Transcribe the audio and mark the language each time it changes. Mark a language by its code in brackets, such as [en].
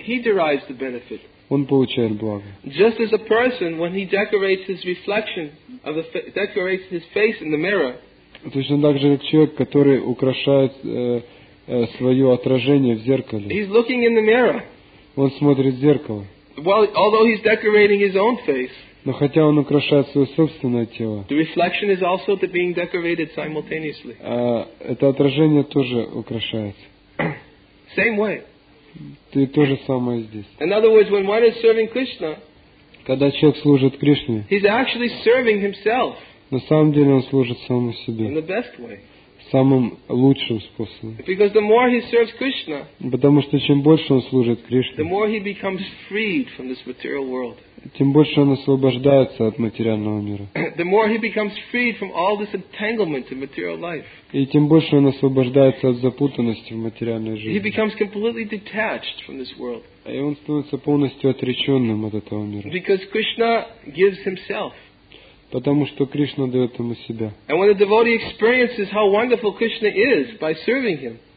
[en] He derives the benefit. [ru] Он получает благо. [en] Just as a person, when he decorates his reflection, of the decorates his face in the mirror. [ru] Точно так же, как человек, который украшает свое отражение в зеркале. [en] He's looking in the mirror. [ru] Он смотрит в зеркало. [en] Well, although he's decorating his own face. [ru] Но хотя он украшает свое собственное тело. [en] The reflection is also being decorated simultaneously. [ru] Это отражение тоже украшается. [en] Same way. [ru] Ты то же самое здесь. [en] In other words, when one is serving Krishna, [ru] когда человек служит Кришне, [en] he's actually serving himself. [ru] На самом деле он служит самому себе. [en] In the best way. [ru] В самым лучшим способом. [en] Because the more he serves Krishna, [ru] потому что чем больше он служит Кришне, [en] the more he becomes freed from this material world. [ru] Тем больше он освобождается от материального мира. [en] The more he becomes freed from all this entanglement in material life. [ru] И тем больше он освобождается от запутанности в материальной жизни. [en] He becomes completely detached from this world. [ru] И он становится полностью отреченным от этого мира. [en] Because Krishna gives himself. [ru] Потому что Кришна дает ему себя. [en] And when the devotee experiences how wonderful Krishna is by serving him.